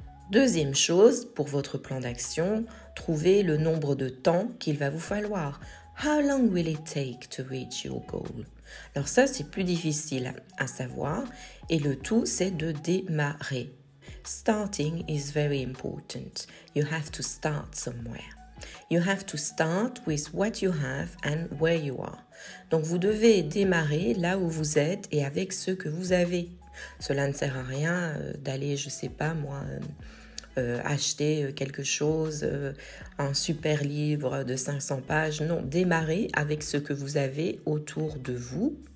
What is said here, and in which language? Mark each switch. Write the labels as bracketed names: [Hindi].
[French] Deuxième chose pour votre plan d'action, trouver le nombre de temps qu'il va vous falloir. [English] How long will it take to reach your goal? [French] Alors ça, c'est plus difficile à savoir. Et le tout, c'est de démarrer. [English] Starting is very important. You have to start somewhere. You have to start with what you have and where you are. [French] Donc vous devez démarrer là où vous êtes et avec ce que vous avez. Cela ne sert à rien d'aller, je ne sais pas moi, acheter quelque chose, un super livre de 500 pages. Non, démarrez avec ce que vous avez autour de vous.